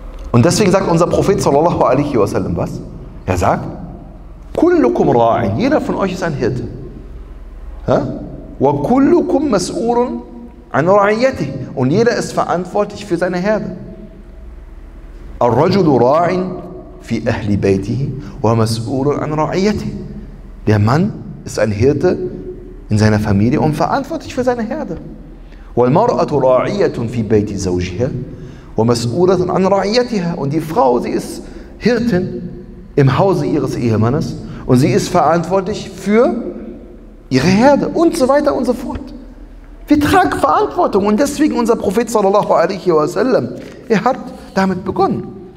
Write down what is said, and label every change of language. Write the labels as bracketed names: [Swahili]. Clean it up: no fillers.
[German] Und deswegen sagt unser Prophet sallallahu alaihi wasallam was? Er sagt, [Arabic] كُلُّكُمْ رَاعٍ [German] jeder von euch ist ein Hirte. [Arabic] وَكُلُّكُمْ مَسْؤُولٌ عن رعيته [German] und jeder ist verantwortlich für seine Herde. [Arabic] الرجل راع في أهل بيته ومسؤول عن رعيته. [German] Der Mann ist ein Hirte in seiner Familie und verantwortlich für seine Herde. [Arabic] والمرأة راعية في بيت زوجها ومسؤولة عن رعيتها. [German] Und die Frau, sie ist Hirtin im Hause ihres Ehemannes und sie ist verantwortlich für ihre Herde und so weiter und so fort. Wir tragen Verantwortung und deswegen unser Prophet sallallahu alaihi wasallam, er hat damit begonnen.